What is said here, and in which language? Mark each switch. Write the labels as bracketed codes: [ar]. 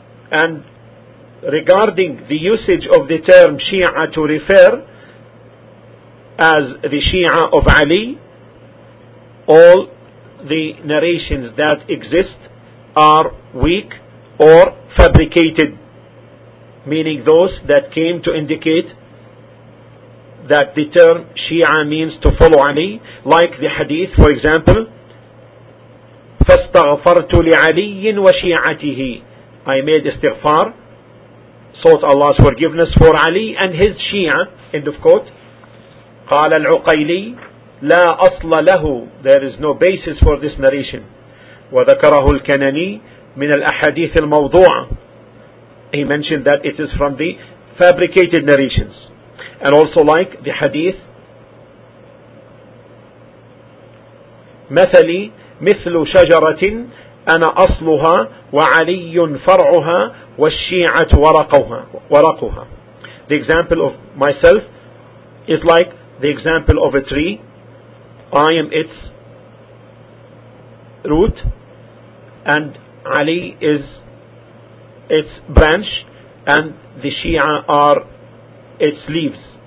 [en] And regarding the usage of the term Shia to refer as the Shia of Ali, all the narrations that exist are weak or fabricated, meaning those that came to indicate that the term Shia means to follow Ali, like the hadith, for example, [ar] فَاسْتَغْفَرْتُ لِعَلِيٍّ وَشِيعَتِهِ. [en] I made istighfar, sought Allah's forgiveness for Ali and his Shia, end of quote. [ar] قال العقيلي لا أصل له. [en] There is no basis for this narration. [ar] وذكره الكناني من الأحاديث الموضوعة. [en] He mentioned that it is from the fabricated narrations. And also like the hadith [ar] مثلي مثل شجرة أنا أصلها وعلي فرعها والشيعة ورقها. [en] The example of myself is like the example of a tree. I am its root, and Ali is its branch, and the Shia are its leaves.